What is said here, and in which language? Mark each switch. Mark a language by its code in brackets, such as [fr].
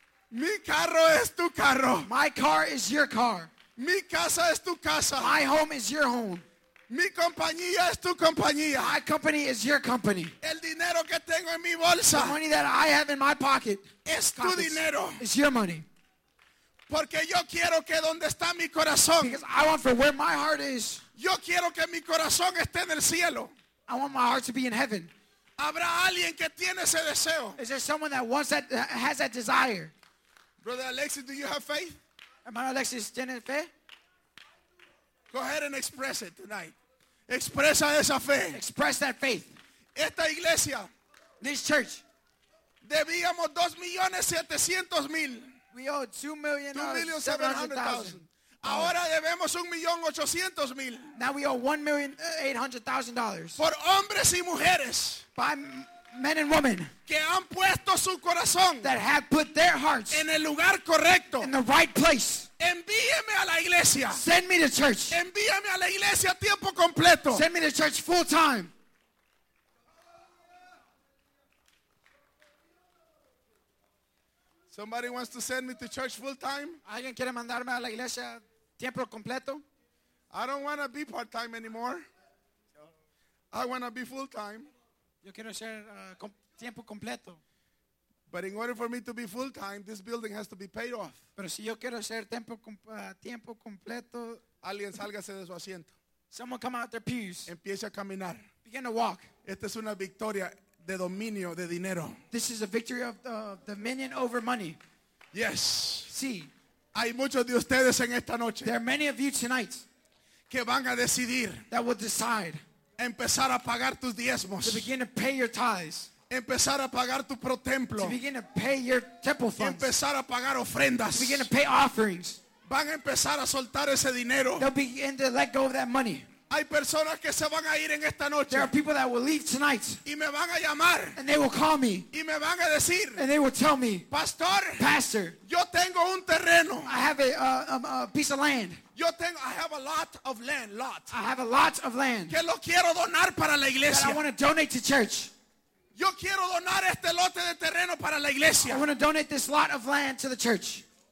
[es] mi carro es tu carro. [en] My car is your car. [es] Mi casa es tu casa. [en] My home is your home. [es] Mi compañía es tu compañía. [en] My company is your company. [es] El dinero que tengo en mi bolsa. [en] The money that I have in my pocket. [es] Es tu dinero. [en] It's your money. [es] Porque yo quiero que donde está mi corazón. [en] Because I want for where my heart is. [es] Yo quiero que mi corazón esté en el cielo. [en] I want my heart to be in heaven. [es] ¿Habrá alguien que tiene ese deseo? [en] Is there someone that wants that, has that desire? Brother Alexis, do you have faith? [es] Hermano Alexis, ¿tienes fe? [en] Go ahead and express it tonight. [es] Expresa esa fe. [en] Express that faith. [es] Esta iglesia. [en] This church. [es] Debíamos 2,700,000. [en] We owe 2,700,000. [es] Ahora debemos 1,800,000. [en] Now we owe $1,800,000. [es] Por hombres y mujeres. [en] By men and women. [es] Que han puesto su corazón. [en] That have put their hearts. [es] En el lugar correcto. [en] In the right place. [es] Envíeme a la iglesia. [en] Send me to church. [es] Envíeme a la iglesia tiempo completo. [en] Send me to church full time. Somebody wants to send me to church full time? [es] ¿Alguien quiere mandarme a la iglesia tiempo completo? [en] I don't want to be part time anymore. I want to be full time. [es] Yo quiero ser tiempo completo. [en] But in order for me to be full time, this building has to be paid off. [es] Pero si yo quiero ser tiempo completo, alguien sálgase de su asiento. [en] Someone come out their pews. [es] Empiece a caminar. [en] Begin to walk. [es] Esta es una victoria de dominio de dinero. [en] This is a victory of the dominion over money. Yes. [es] Sí. Hay muchos de ustedes en esta noche. [en] There are many of you tonight. [es] Que van a decidir. [en] That will decide. [es] Empezar a pagar tus diezmos. [en] To begin to pay your tithes. [es] Empezar a pagar tu pro templo. [en] To begin to pay your temple funds. [es] Empezar a pagar ofrendas. [en] To begin to pay offerings. [es] Van a empezar a soltar ese dinero. [en] They'll begin to let go of that money. [es] Hay personas que se van a ir en esta noche. [en] There are people that will leave tonight. [es] Y me van a llamar. [en] And they will call me. [es] Y me van a decir. [en] And they will tell me. [es] Pastor. [en] Pastor. [es] Yo tengo un terreno. [en] I have a piece of land. [es] Yo tengo. [en] I have a lot of land. Lot. I have a lot of land. [es] Que lo quiero donar para la iglesia. [en] That I want to donate to church. [es] Yo quiero donar este lote de terreno para la iglesia. [en] I want to donate this lot of land to the church.